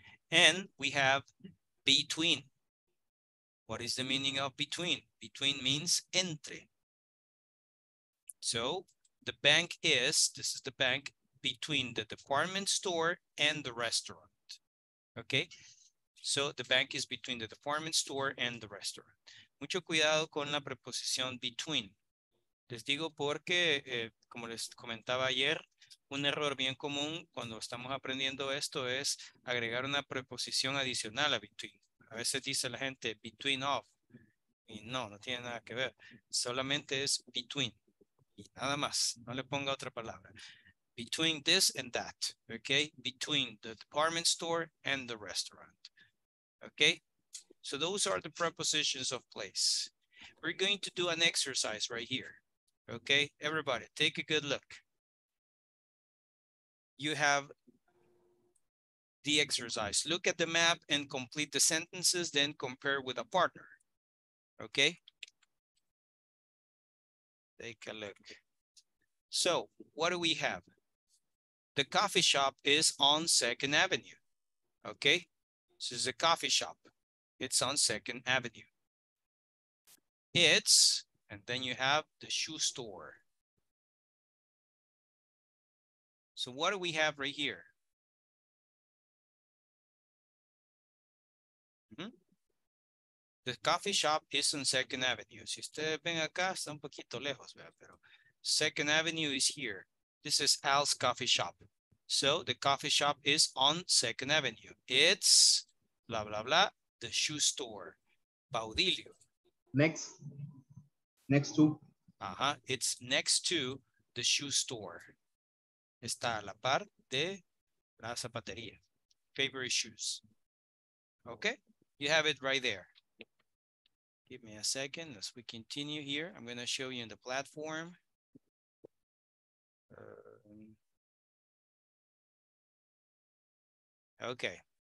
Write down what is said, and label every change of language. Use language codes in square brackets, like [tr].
[en] And we have between. What is the meaning of between? Between means entre. So the bank is, this is the bank, between the department store and the restaurant. Okay, so the bank is between the department store and the restaurant. [es] Mucho cuidado con la preposición between. Les digo porque, como les comentaba ayer, un error bien común cuando estamos aprendiendo esto es agregar una preposición adicional a between. A veces dice la gente between of, y no, no tiene nada que ver. Solamente es between, y nada más. No le ponga otra palabra. [en] Between this and that, okay? Between the department store and the restaurant, okay? So those are the prepositions of place. We're going to do an exercise right here. Okay, everybody, take a good look. You have the exercise. Look at the map and complete the sentences, then compare with a partner. Okay? Take a look. So what do we have? The coffee shop is on Second Avenue. Okay, this is a coffee shop. It's on Second Avenue. It's, and then you have the shoe store. So what do we have right here? Mm-hmm. The coffee shop is on Second Avenue. [es] Si ustedes ven acá, está un poquito lejos, ¿verdad? [en] Pero Second Avenue is here. This is Al's coffee shop. So the coffee shop is on Second Avenue. It's blah, blah, blah, the shoe store. Baudilio. Next. Next to. Uh-huh. It's next to the shoe store. [es] Está a la par de la zapatería. [en] Favorite shoes. Okay. You have it right there. Give me a second as we continue here. I'm going to show you in the platform. Okay.